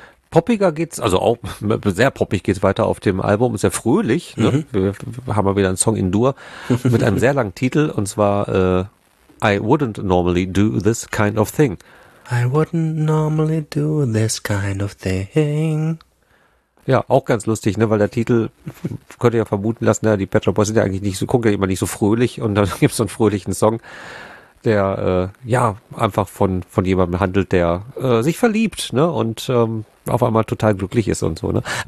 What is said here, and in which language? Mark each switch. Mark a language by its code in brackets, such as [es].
[de] Poppiger geht's, also auch sehr poppig geht's weiter auf dem Album, sehr fröhlich. Ne? Mhm. Wir haben mal wieder einen Song in Dur mit einem sehr langen Titel und zwar I wouldn't normally do this kind of thing. [en] I wouldn't normally do this kind of thing. [de] Ja, auch ganz lustig, ne, weil der Titel könnte ja vermuten lassen, ne, die Pet Shop Boys sind ja eigentlich nicht so, gucken ja immer nicht so fröhlich und dann gibt's so einen fröhlichen Song, der einfach von jemandem handelt, der sich verliebt, ne, und auf einmal total glücklich ist und so, ne.